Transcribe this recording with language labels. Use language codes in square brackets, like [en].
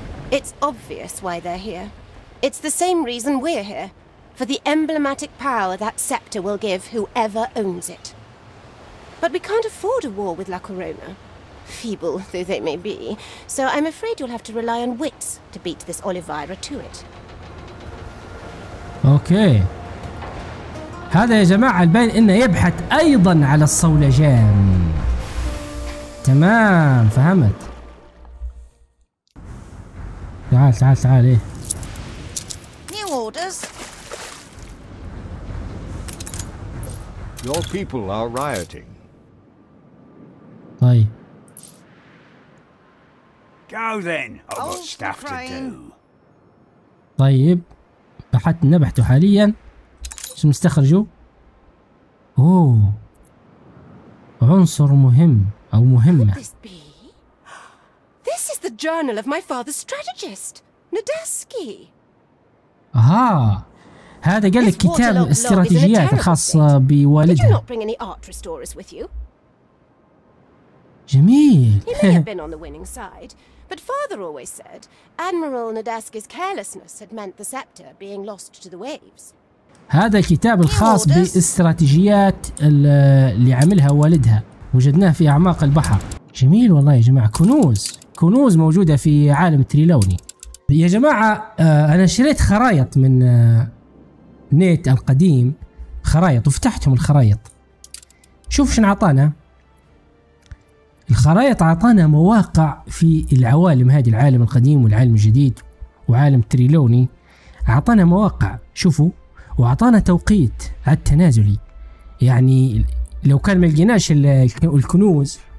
[en] It's obvious why they're here. It's the same reason we're here. For the emblematic power that scepter will give whoever owns it. But we can't afford a war with La Corona. Feeble though they may be, so I'm afraid you'll have to rely on wits to beat this Oliveira to it. Okay. [ar] هذا يا جماعة البين إنه يبحث أيضا على الصولجان. تمام فهمت. تعال تعال تعال إيه. [en] New orders. Your people are rioting. Hi. Go then. I've got stuff to do. [ar] طيب بحثنا نبحث حاليا شو مستخرجوا. اوه عنصر مهم او مهمه. [en] This is the journal of my father's strategist, Nadeski. [ar] اها هذا قال لك كتاب استراتيجيات الخاص بوالدها. [en] Did you not bring any art restorers with you? [ar] جميل. [en] He may have been on the winning side, but father always said Admiral Nadeski's carelessness had meant the scepter being lost to the waves. [ar] هذا الكتاب الخاص باستراتيجيات اللي عملها والدها وجدناه في أعماق البحر. جميل والله يا جماعة كنوز كنوز موجودة في عالم تريلوني. يا جماعة أنا شريت خرائط من نيت القديم خرائط وفتحتهم الخرائط شوف شن عطانا الخرائط عطانا مواقع في العوالم هذه العالم القديم والعالم الجديد وعالم تريلوني عطانا مواقع شوفوا وعطانا توقيت التنازلي يعني لو كان ما لقيناش الكنوز